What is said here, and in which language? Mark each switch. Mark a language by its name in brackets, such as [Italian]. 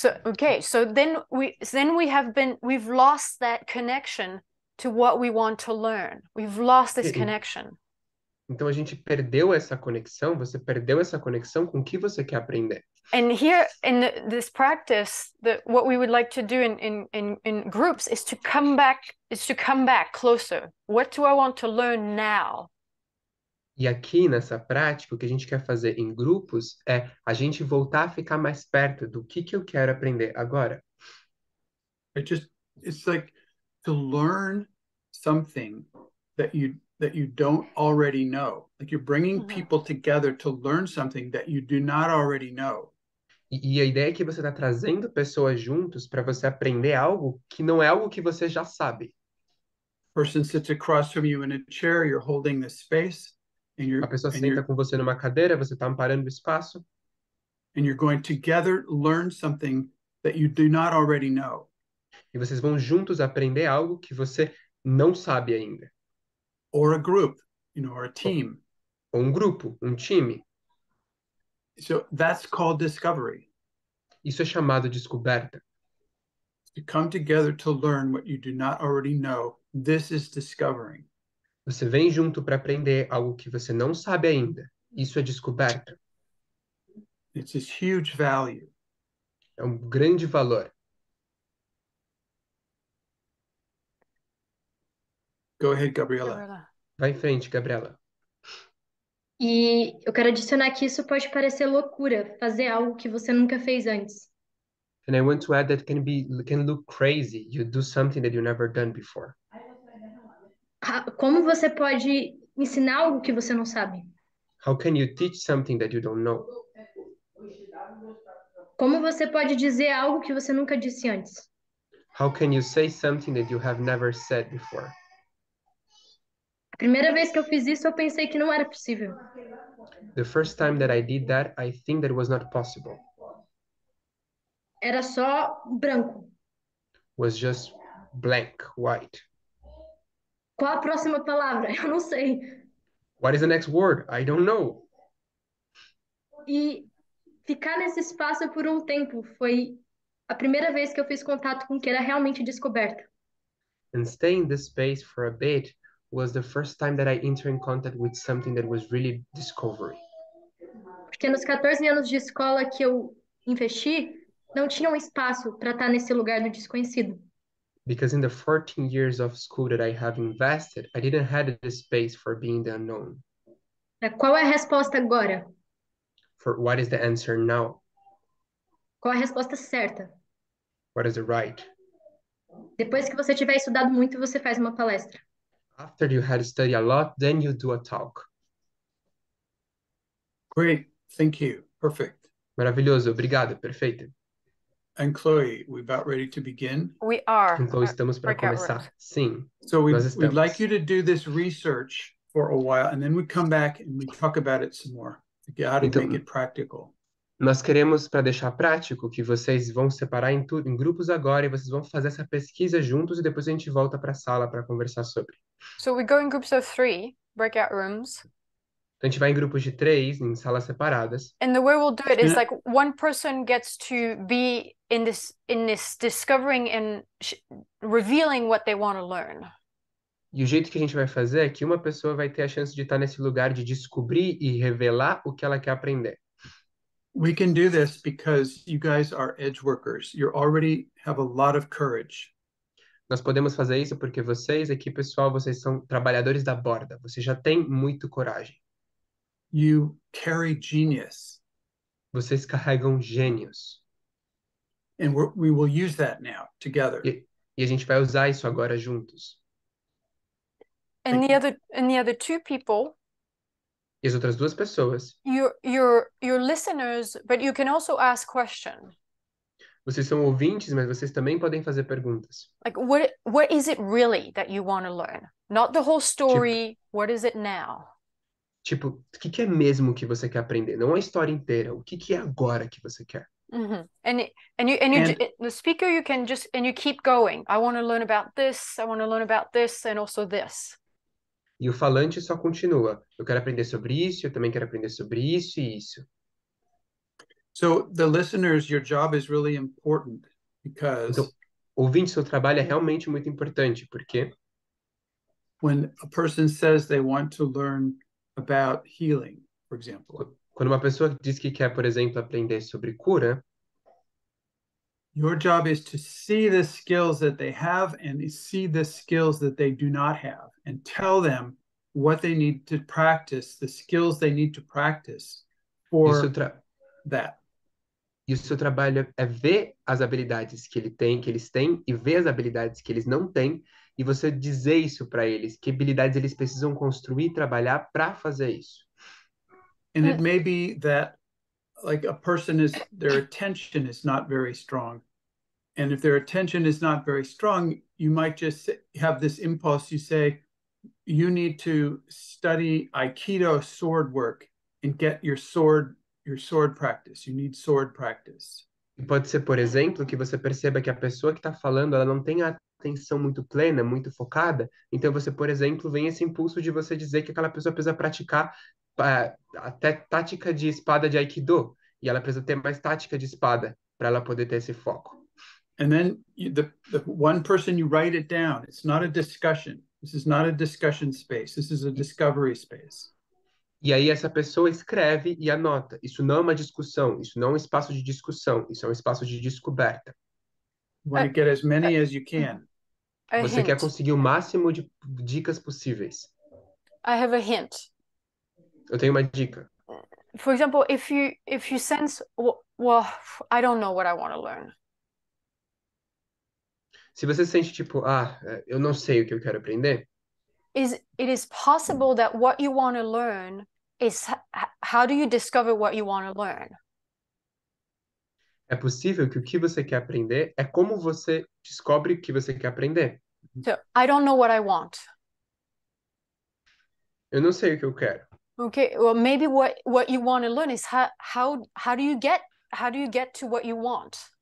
[English] Okay, so then we have been we've lost that connection to what we want to learn. We've lost this [Portuguese] Sim. [English] connection. [Portuguese] Então a gente perdeu essa conexão, você perdeu essa conexão com o que você quer aprender? [English] And here in this practice, what we would like to do in groups is to come back closer. What do I want to learn now? [Portuguese] E aqui nessa prática, o que a gente quer fazer em grupos é a gente voltar a ficar mais perto do que eu quero aprender agora. [English] It's like to learn something that you don't already know. Like you're bringing people together to learn something that you do not already know. [Portuguese] E a ideia é que você está trazendo pessoas juntos para você aprender algo que não é algo que você já sabe. [English] Person sits across from you in a chair, you're holding the space, [Portuguese] A pessoa senta com você numa cadeira, você está amparando o espaço. [English] and you're going together learn something that you do not already know. [Portuguese] E vocês vão juntos aprender algo que você não sabe ainda. [English] Or a group, or a team. [Portuguese] Ou um grupo, um time. [English] So that's called discovery. [Portuguese] Isso é chamado descoberta. [English] To come together to learn what you do not already know, this is discovering. [Portuguese] Você vem junto para aprender algo que você não sabe ainda. Isso é descoberta. [English] It's this huge value. [Portuguese] É um grande valor. [English] Go ahead, Gabriela. Gabriela. [Portuguese] Vai em frente, Gabriela. E eu quero adicionar que isso pode parecer loucura, fazer algo que você nunca fez antes. [English] And I want to add that can look crazy. You do something that you've never done before. [Portuguese] Como você pode ensinar algo que você não sabe? [English] How can you teach something that you don't know? [Portuguese] Como você pode dizer algo que você nunca disse antes? [English] How can you say something that you have never said before? [Portuguese] Primeira vez que eu fiz isso, eu pensei que não era possível. [English] The first time that I did that, I think that was not possible. [Portuguese] Era só branco. [English] Was just blank, white. [Portuguese] Qual a próxima palavra? Eu não sei. [English] What is the next word? I don't know. [Portuguese] E ficar nesse espaço por um tempo foi a primeira vez que eu fiz contato com o que era realmente descoberta. [English] And staying in this space for a bit was the first time that I entered in contact with something that was really discovery. [Portuguese] Porque nos 14 anos de escola que eu investi, não tinha um espaço para estar nesse lugar do desconhecido. [English] Because in the 14 years of school that I have invested, I didn't have the space for being the unknown. [Portuguese] Qual é a resposta agora? [English] For what is the answer now? [Portuguese] Qual é a resposta certa? [English] What is the right? [Portuguese] Depois que você tiver estudado muito, você faz uma palestra. [English] After you had studied a lot, then you do a talk. Great, thank you. Perfect. [Portuguese] Maravilhoso, obrigado, perfeito. [English] And Chloe, we're about ready to begin. We are. [Portuguese] Então, estamos para começar. Sim, [English] so [Portuguese] nós [English] we'd like you to do this research for a while, and then we come back and we talk about it some more. You gotta [Portuguese] então, [English] make it practical. [Portuguese] nós queremos, para deixar prático, que vocês vão separar em tudo, em grupos agora, e vocês vão fazer essa pesquisa juntos, e depois a gente volta para a sala para conversar sobre. [English] So we go in groups of three, breakout rooms. [Portuguese] Então, a gente vai em grupos de três, em salas separadas. [English] And the way we'll do it is like one person gets to be in this discovering and revealing what they want to learn. [Portuguese] E o jeito que a gente vai fazer é que uma pessoa vai ter a chance de estar nesse lugar de descobrir e revelar o que ela quer aprender. [English] We can do this because you guys are edge workers. You already have a lot of courage. [Portuguese] Nós podemos fazer isso porque vocês, aqui pessoal, vocês são trabalhadores da borda. Vocês já têm muito coragem. [English] You carry genius. [Portuguese] Vocês carregam gênios. [English] And we will use that now together. [Portuguese] E a gente vai usar isso agora juntos. [English] And the other two people. [Portuguese] E as outras duas pessoas. [English] You're listeners, but you can also ask questions. [Portuguese] Vocês são ouvintes, mas vocês também podem fazer perguntas. [English] Like what is it really that you want to learn? Not the whole story. [Portuguese] Tipo, [English] what is it now? [Portuguese] Tipo, o que é mesmo que você quer aprender? Não a história inteira. O que é agora que você quer? Mm-hmm. [English] And the speaker you can just and you keep going. I want to learn about this. I want to learn about this and also this. [Portuguese] E o falante só continua. Eu quero aprender sobre isso. Eu também quero aprender sobre isso e isso. [English] So the listeners, your job is really important because. [Portuguese] Então, ouvinte, seu trabalho é realmente muito importante porque. [English] When a person says they want to learn about healing, for example. [Portuguese] Quando uma pessoa diz que quer, por exemplo, aprender sobre cura. [English] Your job is to see the skills that they have and see the skills that they do not have and tell them what they need to practice, the skills they need to practice for that. [Portuguese] E o seu trabalho é ver as habilidades que ele tem, que eles têm, e ver as habilidades que eles não têm, e você dizer isso para eles, que habilidades eles precisam construir e trabalhar para fazer isso. [English] And it may be that like a person is their attention is not very strong. And if their attention is not very strong, you might just have this impulse. You say, you need to study Aikido sword work and get your sword practice. You need sword practice. [Portuguese] Pode ser, por exemplo, que você perceba que a pessoa que está falando, ela não tem a atenção muito plena, muito focada. Então você, por exemplo, vem esse impulso de você dizer que aquela pessoa precisa praticar até tática de espada de Aikido. E ela precisa ter mais tática de espada para ela poder ter esse foco. [English] And then the one person, you write it down. It's not a discussion. This is not a discussion space. This is a discovery space. [Portuguese] E aí essa pessoa escreve e anota. Isso não é uma discussão. Isso não é um espaço de discussão. Isso é um espaço de descoberta. [English] You want to get as many as you can. [Portuguese] Você [English] hint. [Portuguese] Quer conseguir o máximo de dicas possíveis. [English] I have a hint. [Portuguese] Eu tenho uma dica. [English] For example, if you sense, well, I don't know what I want to learn. [Portuguese] Se você sente tipo, eu não sei o que eu quero aprender. [English] It is possible that what you want to learn is how do you discover what you want to learn? [Portuguese] É possível que o que você quer aprender é como você descobre o que você quer aprender. [English] So, I don't know what I want. [Portuguese] Eu não sei o que eu quero. [English] Okay, well, maybe what you want to learn is how do you get to what you want?